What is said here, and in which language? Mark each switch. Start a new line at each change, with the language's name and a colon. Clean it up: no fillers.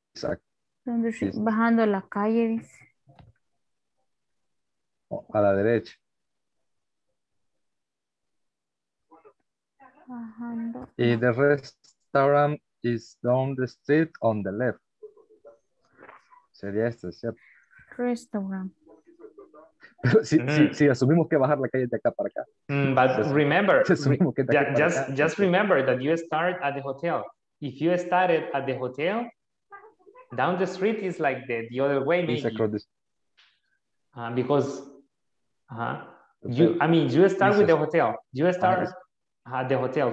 English: Exactly.
Spanish: Bajando la calle, a la derecha. Bajando.
English: Y the restaurant is down the street on the left.
Spanish: Sería este, ¿cierto?
English: Restaurant.
Spanish: Pero si, si asumimos que bajar la calle de acá para acá.
English: But remember, just remember that you start at the hotel. If you started at the hotel, down the street is like the other way. It's across the street. Because, you start with the hotel. You start... at the hotel.